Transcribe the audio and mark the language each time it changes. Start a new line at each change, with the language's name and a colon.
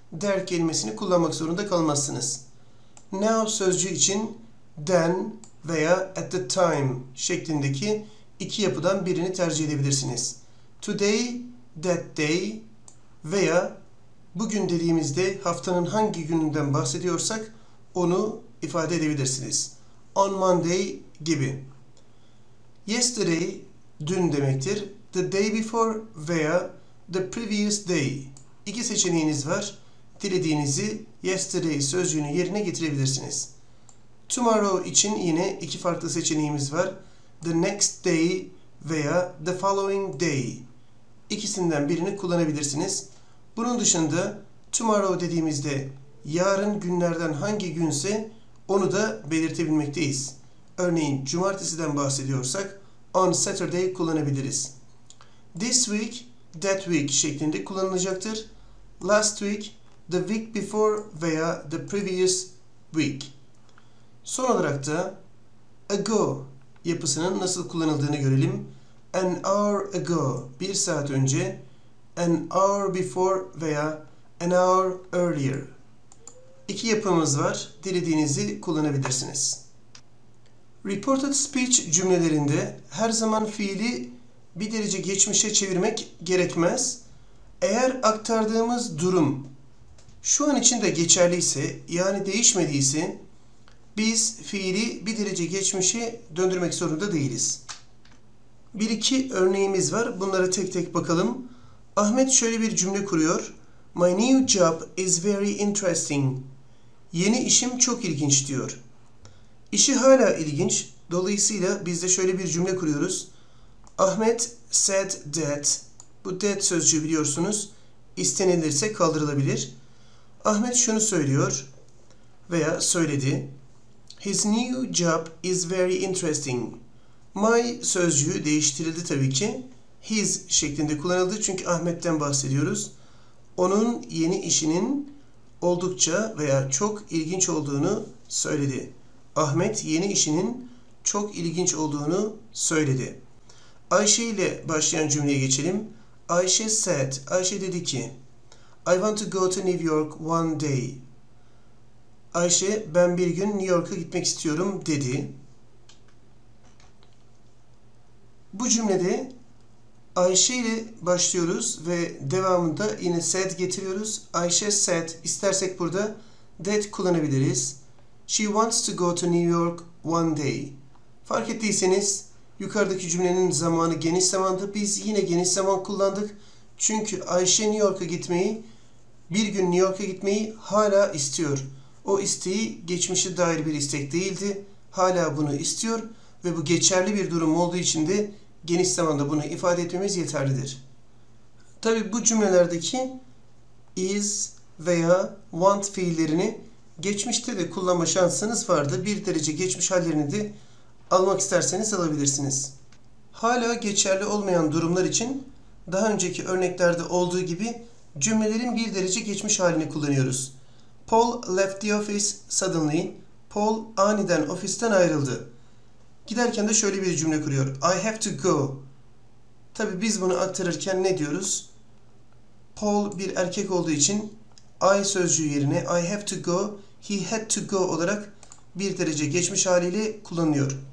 Turkish: There kelimesini kullanmak zorunda kalmazsınız. Now sözcüğü için then veya
English: at the time
Turkish: şeklindeki iki yapıdan birini tercih edebilirsiniz.
English: Today, that day
Turkish: veya bugün dediğimizde haftanın hangi gününden bahsediyorsak onu ifade edebilirsiniz.
English: On Monday
Turkish: gibi. Yesterday, dün demektir.
English: The day before veya the previous day.
Turkish: İki seçeneğiniz var. Dilediğinizi yesterday sözcüğünün yerine getirebilirsiniz. Tomorrow için yine iki farklı seçeneğimiz var.
English: The next day veya the following day.
Turkish: İkisinden birini kullanabilirsiniz. Bunun dışında tomorrow dediğimizde yarın günlerden hangi günse onu da belirtebilmekteyiz. Örneğin cumartesiden bahsediyorsak
English: on Saturday
Turkish: kullanabiliriz.
English: This week, that week şeklinde kullanılacaktır. Last week, the week before veya the previous week.
Turkish: Son olarak da ago yapısının nasıl kullanıldığını görelim.
English: An hour ago,
Turkish: bir saat önce,
English: an hour before veya an hour earlier.
Turkish: İki yapımız var. Dilediğinizi kullanabilirsiniz. Reported speech cümlelerinde her zaman fiili bir derece geçmişe çevirmek gerekmez. Eğer aktardığımız durum şu an için de geçerliyse, yani değişmediyse, biz fiili bir derece geçmişe döndürmek zorunda değiliz. Bir iki örneğimiz var. Bunlara tek tek bakalım. Ahmet şöyle bir cümle kuruyor.
English: My new job is very interesting.
Turkish: Yeni işim çok ilginç diyor. İşi hala ilginç. Dolayısıyla biz de şöyle bir cümle kuruyoruz.
English: Ahmet said that.
Turkish: Bu that sözcüğü biliyorsunuz. İstenilirse kaldırılabilir. Ahmet şunu söylüyor veya söyledi.
English: His new job is very interesting.
Turkish: My sözcüğü değiştirildi tabii ki. His şeklinde kullanıldı çünkü Ahmet'ten bahsediyoruz. Onun yeni işinin oldukça veya çok ilginç olduğunu söyledi. Ahmet yeni işinin çok ilginç olduğunu söyledi. Ayşe ile başlayan cümleye geçelim.
English: Ayşe said,
Turkish: Ayşe dedi ki,
English: I want to go to New York one day.
Turkish: Ayşe, ben bir gün New York'a gitmek istiyorum dedi. Bu cümlede Ayşe ile başlıyoruz ve devamında yine said getiriyoruz.
English: Ayşe said,
Turkish: istersek burada that kullanabiliriz.
English: She wants to go to New York one day.
Turkish: Fark ettiyseniz yukarıdaki cümlenin zamanı geniş zamandı. Biz yine geniş zaman kullandık. Çünkü Ayşe New York'a gitmeyi, bir gün New York'a gitmeyi hala istiyor. O isteği geçmişe dair bir istek değildi. Hala bunu istiyor ve bu geçerli bir durum olduğu için de geniş zamanda bunu ifade etmemiz yeterlidir. Tabii bu cümlelerdeki is veya want fiillerini geçmişte de kullanma şansınız vardı. Bir derece geçmiş hallerini de almak isterseniz alabilirsiniz. Hala geçerli olmayan durumlar için daha önceki örneklerde olduğu gibi cümlelerin bir derece geçmiş halini kullanıyoruz.
English: Paul left the office suddenly.
Turkish: Paul aniden ofisten ayrıldı. Giderken de şöyle bir cümle kuruyor.
English: I have to go.
Turkish: Tabii biz bunu aktarırken ne diyoruz? Paul bir erkek olduğu için I sözcüğü yerine
English: I have to go, he had to go
Turkish: olarak bir derece geçmiş haliyle kullanılıyor.